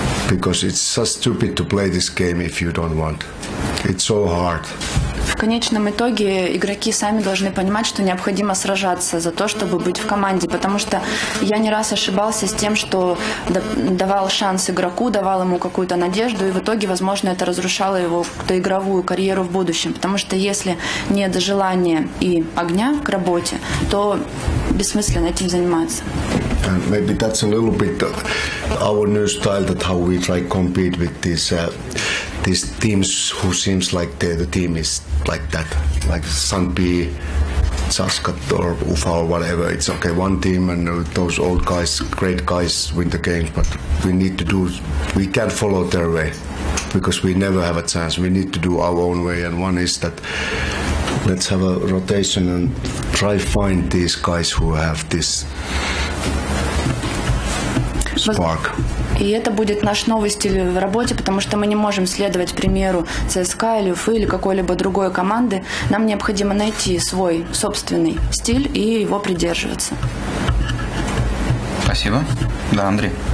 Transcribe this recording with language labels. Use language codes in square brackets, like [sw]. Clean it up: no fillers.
[en] Because it's so stupid to play this game if you don't want. It's so hard. [ru] В конечном итоге игроки сами должны понимать, что необходимо сражаться за то, чтобы быть в команде. Потому что я не раз ошибался с тем, что давал шанс игроку, давал ему какую-то надежду, и в итоге, возможно, это разрушало его игровую карьеру в будущем. Потому что если нет желания и огня к работе, то бессмысленно этим заниматься. [en] And maybe that's a little bit our new style, that how we try compete with these teams who seems like the team is like that, like Sandby, Saskat or Ufa or whatever. It's okay, one team, and those old guys, great guys, win the games, but we can't follow their way, because we never have a chance. We need to do our own way, and one is that let's have a rotation and try find these guys who have this spark. [ru] И это будет наш новый стиль в работе, потому что мы не можем следовать примеру ЦСКА или Уфы или какой-либо другой команды. Нам необходимо найти свой собственный стиль и его придерживаться. Спасибо. Да, Андрей.